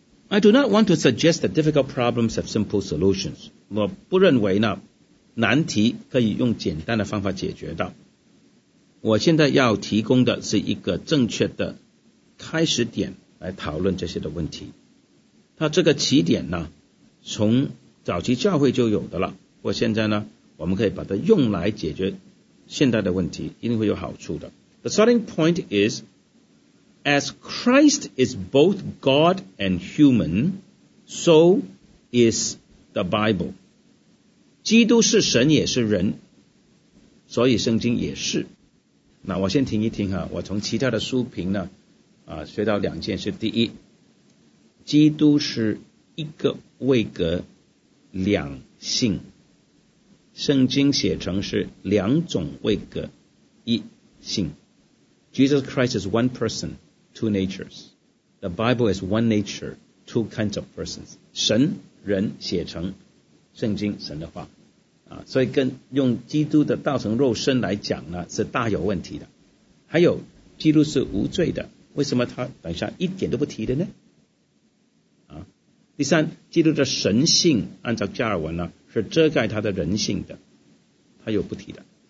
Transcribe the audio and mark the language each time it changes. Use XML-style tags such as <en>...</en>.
<en>I do not want to suggest that difficult problems have simple solutions.</en> <zh>我不认为呢，难题可以用简单的方法解决的。我现在要提供的是一个正确的开始点来讨论这些的问题。它这个起点呢，从早期教会就有的了。不过现在呢，我们可以把它用来解决现代的问题，一定会有好处的。</zh> <en>The starting point is,As Christ is both God and human, so is the Bible.</en> <zh>基督是神也是人，所以圣经也是。那我先停一停哈，我从其他的书评呢，学到两件事。第一，基督是一个位格两性，圣经写成是两种位格一性。</zh> <en>Jesus Christ is one person. Two natures. The Bible is one nature, two kinds of persons.</en> <zh>神人写成圣经神的话啊，所以跟用基督的道成肉身来讲呢是大有问题的。还有基督是无罪的，为什么他等一下一点都不提的呢？啊，第三，基督的神性按照加尔文呢是遮盖他的人性的，他又不提的。</zh>